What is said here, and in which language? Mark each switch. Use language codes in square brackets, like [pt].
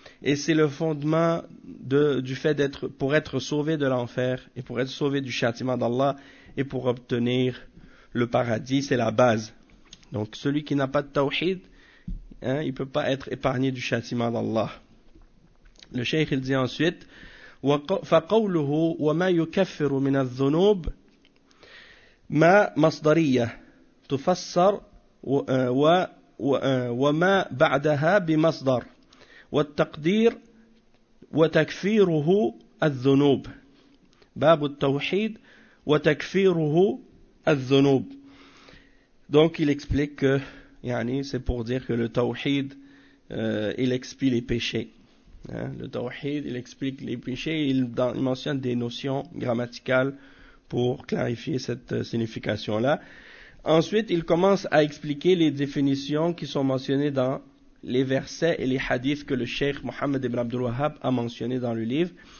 [fr] Et c'est le fondement du fait d'être, pour être sauvé de l'enfer et pour être sauvé du châtiment d'Allah et pour obtenir le paradis, c'est la base. Donc celui qui n'a pas de tawhid, il ne peut pas être épargné du châtiment d'Allah. Le cheikh il dit ensuite, [ar] فَقَوْلُهُ وَمَا يُكَفِّرُ مِنَ الذُّنُوبِ مَا مَصْدَرِيَّةِ تُفَسَّرْ وَمَا بَعْدَهَا بِمَصْدَرْ والتقدير وتكفيره الذنوب باب التوحيد وتكفيره الذنوب. [fr] Donc il explique que c'est pour dire que le tawhid il expie les péchés, le tawhid il explique les péchés. Il mentionne des notions grammaticales pour clarifier cette signification là. Ensuite il commence à expliquer les définitions qui sont mentionnées dans les versets et les hadiths que le cheikh Mohammed ibn Abdul Wahhab a mentionné dans le livre.